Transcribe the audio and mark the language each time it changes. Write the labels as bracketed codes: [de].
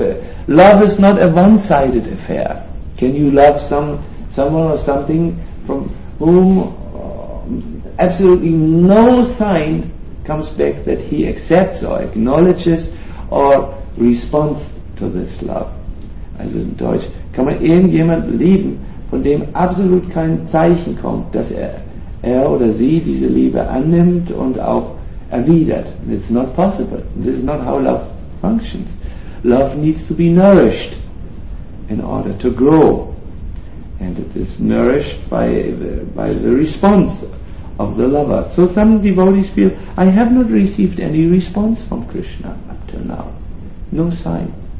[en] But love is not a one-sided affair. Can you love someone or something from whom absolutely no sign comes back that he accepts or acknowledges or responds to this love? [de] Also in Deutsch, kann man irgendjemand lieben, von dem absolut kein Zeichen kommt, dass er oder sie diese Liebe annimmt und auch erwidert? [en] It's not possible. This is not how love functions. Love needs to be nourished in order to grow, and it is nourished by the response of the lover. So some devotees feel, I have not received any response from Krishna up till now. No sign.